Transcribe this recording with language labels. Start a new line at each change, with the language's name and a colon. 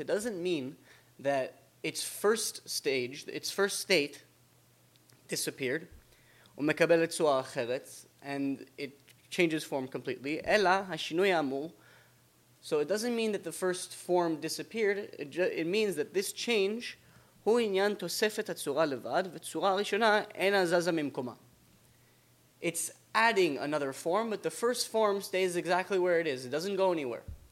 English: It doesn't mean that its first stage, its first state, disappeared.
Hebrew: ומקבלת צורה אחרת,
English: and it changes form completely.
Hebrew: אלא השינוי האמור,
English: so it doesn't mean that the first form disappeared. It means that this change,
Hebrew: הוא עניין תוספת הצורה לבד, וצורה הראשונה אינה זזה ממקומה.
English: It's adding another form, but the first form stays exactly where it is. It doesn't go anywhere.